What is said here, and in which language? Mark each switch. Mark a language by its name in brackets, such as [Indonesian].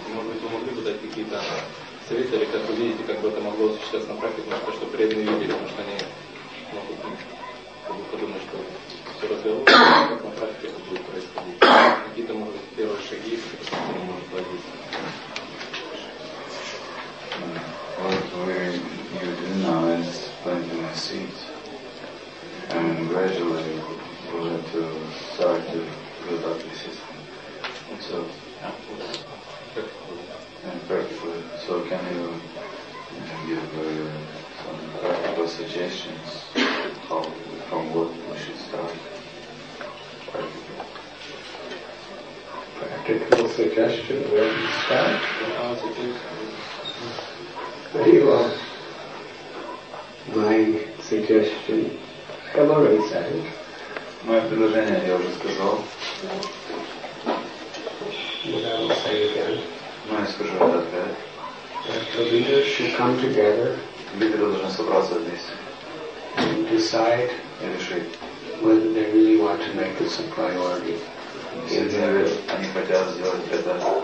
[Russian] И, может быть, вы могли бы дать какие-то советы, или как вы видите, как бы это могло осуществляться на практике, потому что преданные люди, потому что они могут подумать, что все разговоры, как на практике это будет происходить. Какие-то, может быть, первые шаги, которые мы можем пойти. [English] What we're you do now is planting a seed, and gradually we're going to start to build up the system itself. And practically, so can you give some practical suggestions how, from what we should start practical suggestion where to start? Very well. My suggestion, I've already said it. [Russian] Моё предложение, я уже сказал. [English] But I will say it again. [Russian] Ну, я скажу это опять. [English] That the leaders should come together. [Russian] Лидеры должны собраться вместе. [English] And decide. [Russian] И решить. [English] Whether they really want to make this a priority. [Russian] Если они хотят сделать это